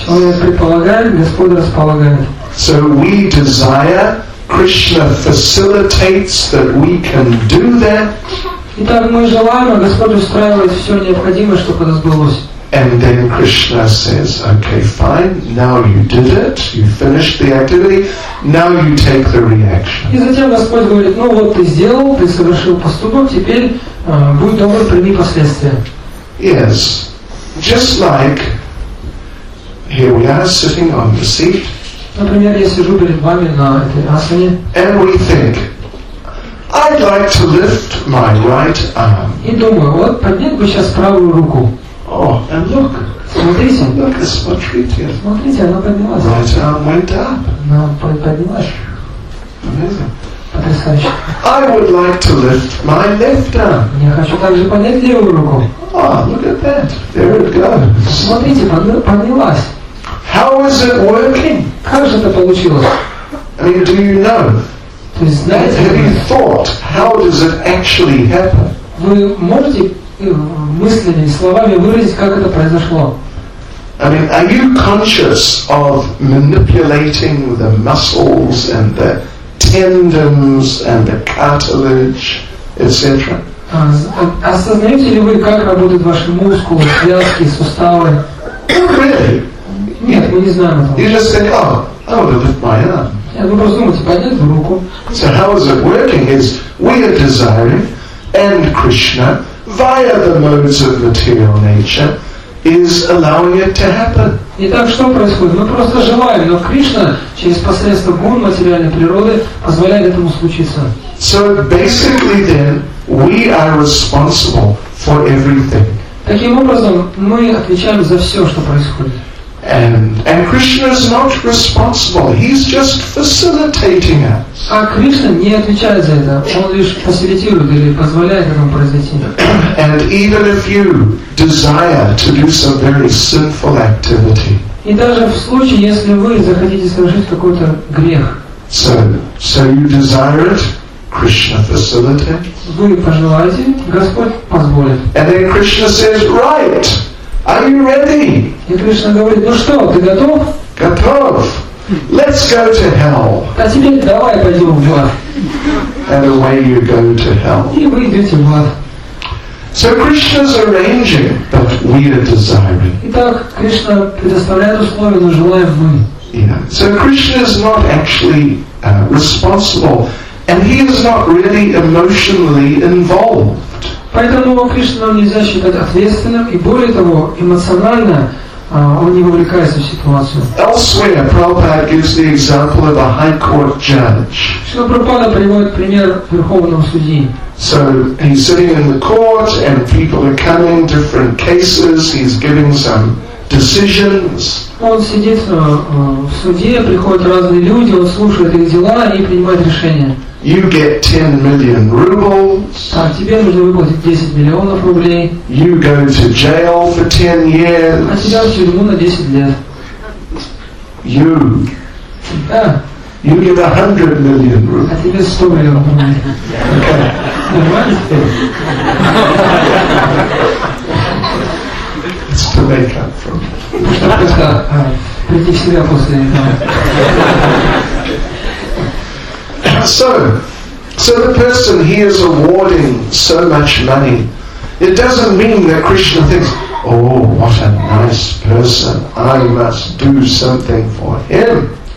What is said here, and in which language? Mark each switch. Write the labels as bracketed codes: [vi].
[en] So we desire, Krishna facilitates that we can do that. [ru] Итак, мы желаем, а Господь устраивает все необходимое, чтобы это сбылось. [en] And then Krishna says, okay, fine, now you did it, you finished the activity, now you take the reaction. [ru] И затем Господь говорит, ну вот ты сделал, ты совершил поступок, теперь будь добр, прими последствия. [en] Yes, just like here we are sitting on the seat. [ru] Например, я сижу перед вами на этой асане. [en] And we think, I'd like to lift my right arm. [ru] И думаю, вот поднять бы сейчас правую руку. [en] Oh, and look! [ru] Смотрите, [en] look, it's much prettier. [ru] Смотрите, она поднялась. [en] Right arm went up. [ru] Она поднялась. [en] Amazing. [ru] Потрясающе. [en] I would like to lift my left arm. [ru] Я хочу также поднять левую руку. [en] Oh, look at that! There it goes. [ru] Смотрите, поднялась. [en] How is it working? [ru] Как же это получилось? [en] I mean, do you know? [ru] То есть, знаете, [en] have you thought how does it actually happen? [ru] Вы можете мыслями, словами выразить, как это произошло. [en] I mean, are you conscious of manipulating the muscles and the tendons and the cartilage, etc.? [ru] Осознаете ли вы, как работают ваши мускулы, связки, суставы? [en] Really? [ru] Нет, мы не знаем этого. [en] You just think, oh, I want to lift my arm. [ru] Нет, вы просто думаете, поднять руку. [en] So how is it working? Is we are desiring and Krishna via the modes of material nature is allowing it to happen. [ru] Итак, что происходит? Мы просто желаем, но Кришна через посредство гун материальной природы позволяет этому случиться. [en] So basically then we are responsible for everything. [ru] Таким образом, мы отвечаем за все, что происходит. [en] And Krishna is not responsible. He's just facilitating it. [ru] А Кришна не отвечает за это. Он лишь фасилитирует или позволяет этому произойти. [en] And even if you desire to do some very sinful activity. [ru] И даже в случае, если вы захотите совершить какой-то грех. [en] So you desire it. Krishna facilitates. [ru] Вы пожелаете, Господь позволит. [en] And then Krishna says, right. Are you ready? [ru] И Кришна говорит, ну что, ты готов? Готов. [en] Let's go to hell. [ru] А теперь давай пойдем в ад. [en] And away you go to hell. [ru] И вы идете в ад. [en] So Krishna's arranging, but we are desiring. [ru] Итак, Кришна предоставляет условия, но желаем мы. [en] So Krishna is not actually responsible, and he is not really emotionally involved. [ru] Поэтому Кришна нам нельзя считать ответственным, и более того, эмоционально он не вовлекается в ситуацию. [en] Elsewhere, Prabhupada gives the example of a high court judge. [ru] Шрила Прабхупада приводит пример верховного судьи. [en] So he's sitting in the court, and people are coming, different cases. He's giving some decisions. [ru] Он сидит в суде, приходят разные люди, он слушает их дела и принимает решения. [en] You get 10 million rubles. [ru] Так, тебе нужно выплатить 10 миллионов рублей. [en] You go to jail for 10 years. [ru] А тебя в тюрьму на 10 лет. [en] You. [ru] Да. [en] You get 100 million rubles. [ru] А тебе 100 миллионов рублей. Нормально? [en] It's to make up for me. [ru] Чтобы просто прийти в себя после этого. [en] So the person he is awarding so much money, it doesn't mean that Krishna thinks, oh, what a nice person, I must do something for him.